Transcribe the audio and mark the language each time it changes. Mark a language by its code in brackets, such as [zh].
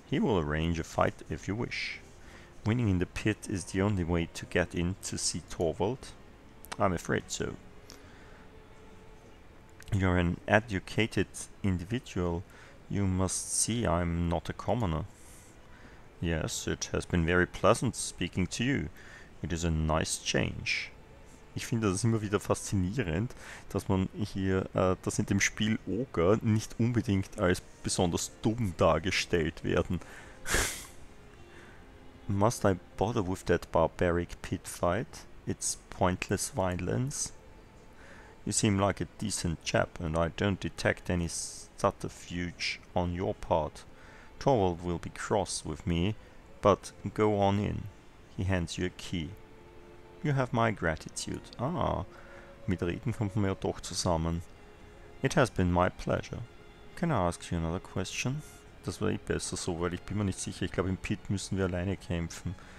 [en] He will arrange a fight if you wish. Winning in the pit is the only way to get in to see Torvald. I'm afraid so. You're an educated individual. You must see I'm not a commoner. Yes, it has been very pleasant speaking to you. It is a nice change. [de] Ich finde das immer wieder faszinierend, dass man hier, dass in dem Spiel Oger nicht unbedingt als besonders dumm dargestellt werden. [en] Must I bother with that barbaric pit fight? It's pointless violence. You seem like a decent chap, and I don't detect any subterfuge on your part. Torvald will be cross with me, but go on in. He hands you a key. You have my gratitude. [de] Ah, mit Reden kommt man ja doch zusammen. [en] It has been my pleasure. Can I ask you another question? [de] Das wäre eh besser so, weil ich bin mir nicht sicher. Ich glaube, im Pit müssen wir alleine kämpfen.